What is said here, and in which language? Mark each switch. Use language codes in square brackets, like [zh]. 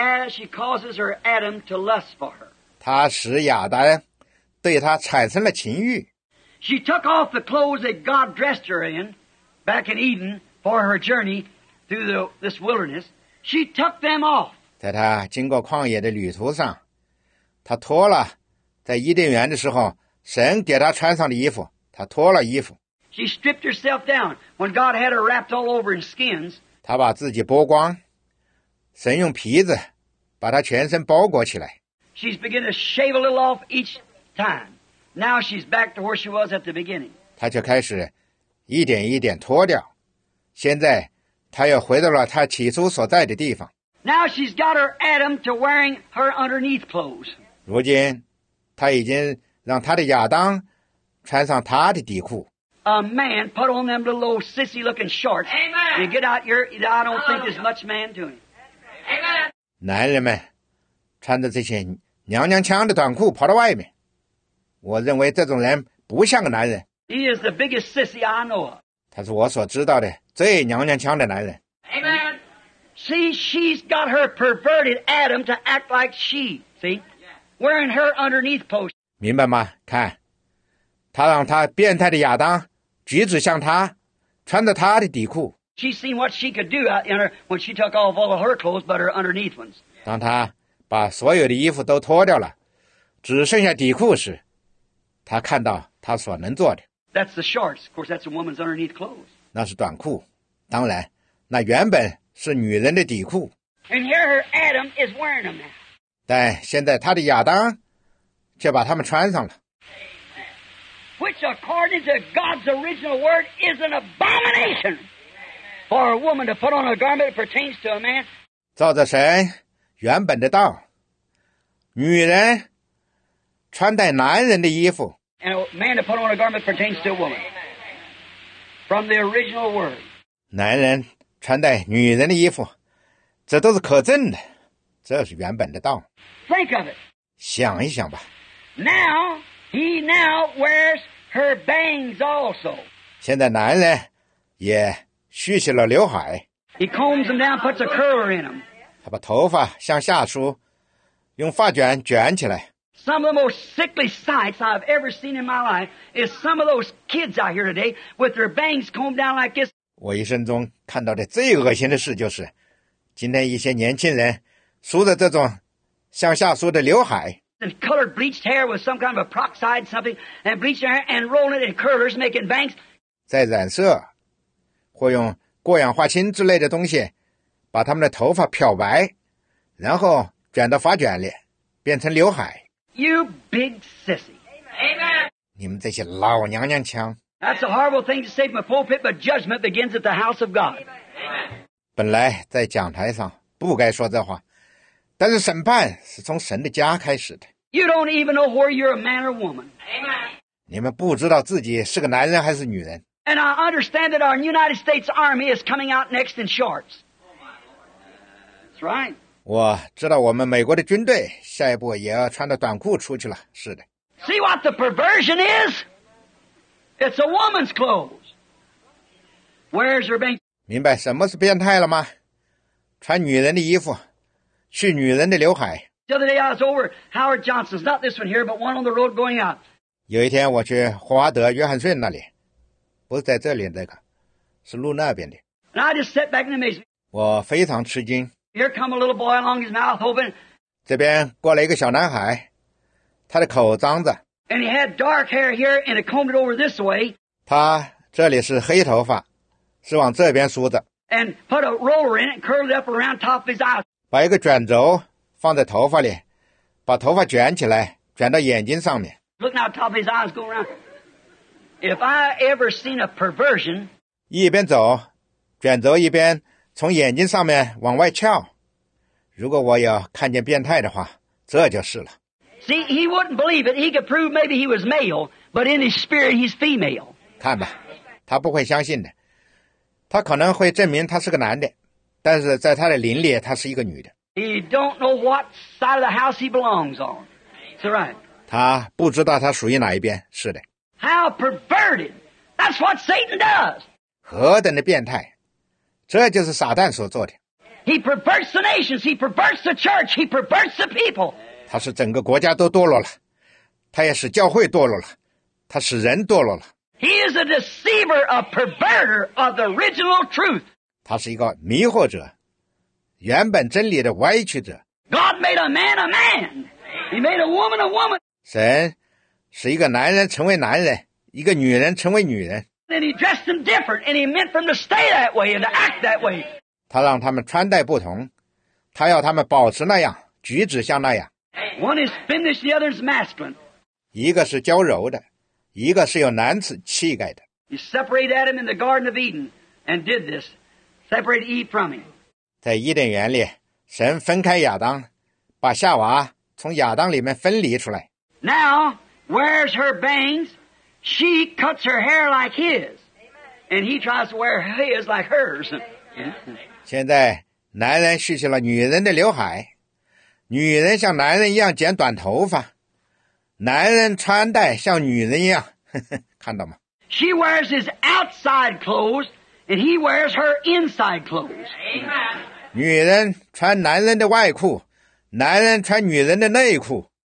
[en] She causes her Adam to lust for her. [zh] 她使亚当对她产生了情欲。 [en] She took off the clothes that God dressed her in. Back in Eden, for her journey through this wilderness, she took them off. [zh] 在她经过旷野的旅途上，她脱了在伊甸园的时候神给她穿上的衣服，她脱了衣服。 [en] She stripped herself down when God had her wrapped all over in skins. [zh] 她把自己剥光，神用皮子把她全身包裹起来。 [en] She's beginning to shave a little off each time. Now she's back to where she was at the beginning. [zh] 她就开始。一点一点脱掉，现在他又回到了他起初所在的地方。 [en] Now she's got her Adam to wearing her underneath clothes. [zh] 如今，他已经让他的亚当穿上他的底裤。 [en] A man put on them little old sissy looking shorts. Amen. You get out your, I don't think there's much man doing. Amen. [zh] 男人们穿着这些娘娘腔的短裤跑到外面，我认为这种人不像个男人。 [en] He is the biggest sissy I know of. [zh] 他是我所知道的最娘娘腔的男人。 [en] Amen. See, she's got her perverted Adam to act like she. See, wearing her underneath post. [zh] 明白吗？看，他让他变态的亚当举止像他，穿着他的底裤。 [en] She seen what she could do out in her when she took off all of her clothes but her underneath ones. [zh] 当他把所有的衣服都脱掉了，只剩下底裤时，他看到他所能做的。 [en] That's the shorts. Of course, that's a woman's underneath clothes. [zh] 那是短裤，当然，那原本是女人的底裤。 [en] And here her Adam is wearing them now. [zh] 但现在他的亚当却把他们穿上了。 [en] Which, according to God's original word, is an abomination for a woman to put on a garment that pertains to a man. [zh] 照着神原本的道，女人穿戴男人的衣服。 [en] And a man to put on a garment pertains to a woman. From the original word. [zh] 男人穿戴女人的衣服，这都是可证的，这是原本的道。 [en] Think of it. [zh] 想一想吧。 [en] Now, he now wears her bangs also. [zh] 现在男人也蓄起了刘海。 [en] He combs them down, puts a curler in them. [zh] 他把头发向下梳，用发卷卷起来。 [en] Some of the most sickly sights I've ever seen in my life is some of those kids out here today with their bangs combed down like this. [zh] 我一生中看到的最恶心的事就是，今天一些年轻人梳着这种向下梳的刘海。 [en] And colored bleached hair with some kind of a peroxide something, and bleached hair and rolling it in curlers, making bangs. [zh] 再染色，或用过氧化氢之类的东西，把他们的头发漂白，然后卷到发卷里，变成刘海。 [en] You big sissy. Amen. [zh] 你们这些老娘娘腔。 [en] That's a horrible thing to say from a pulpit, but judgment begins at the house of God. Amen. [zh] 本来在讲台上不该说这话。但是审判是从神的家开始的。 [en] You don't even know whether you're a man or woman. Amen. [zh] 你们不知道自己是个男人还是女人。 [en] And I understand that our United States Army is coming out next in shorts. That's right. [zh] 我知道我们美国的军队下一步也要穿着短裤出去了。是的。 [en] See what the perversion is? It's a woman's clothes. Where's your bank? [zh] 明白什么是变态了吗？穿女人的衣服。去女人的刘海。 [en] The other day I was over Howard Johnson's, not this one here, but one on the road going out. [zh] 有一天我去霍华德·约翰逊那里，不是在这里那个，是路那边的。 [en] And I just sat back in amazement. [zh] 我非常吃惊。 [en] Here come a little boy along his mouth open. [zh] 这边过来一个小男孩，他的口张着。 [en] And he had dark hair here and it combed it over this way. [zh] 他这里是黑头发，是往这边梳的。 [en] And put a roller in it and curled it up around top of his eyes. [zh] 把一个卷轴放在头发里，把头发卷起来，卷到眼睛上面。 [en] Looking out top of his eyes, going around. If I ever seen a perversion, [zh] 一边走，卷轴一边从眼睛上面往外翘。如果我要看见变态的话，这就是了。 [en] See, he wouldn't believe it. He could prove maybe he was male, but in his spirit, he's female. [zh] 看吧，他不会相信的。他可能会证明他是个男的。但是在他的灵里，他是一个女的。 [en] He don't know what side of the house he belongs on. Is that right? [zh] 他不知道他属于哪一边。是的。 [en] How perverted! That's what Satan does. [zh] 何等的变态！这就是撒旦所做的。 [en] He perverts the nations. He perverts the church. He perverts the people. [zh] 他使整个国家都堕落了，他也使教会堕落了，他使人堕落了。 [en] He is a deceiver, a perverter of the original truth. [zh] 他是一个迷惑者，原本真理的歪曲者。 [en] God made a man a man. He made a woman a woman. [zh] 神使一个男人成为男人，一个女人成为女人。 [en] And he dressed them different, and he meant for them to stay that way and to act that way. [zh] 他让他们穿戴不同，他要他们保持那样，举止像那样。 [en] One is feminine, the other is masculine. [zh] 一个是娇柔的，一个是有男子气概的。 [en] He separated Adam in the Garden of Eden and did this. Separate Eve from him. [zh] 在伊甸园里，神分开亚当，把夏娃从亚当里面分离出来。 [en] Now, where's her bangs? She cuts her hair like his. And he tries to wear his like hers. [zh] 现在，男人蓄起了女人的刘海，女人像男人一样剪短头发，男人穿戴像女人一样，呵呵，看到吗？ [en] She wears his outside clothes, and he wears her inside clothes. Amen. [zh] 女人穿男人的外裤，男人穿女人的内裤。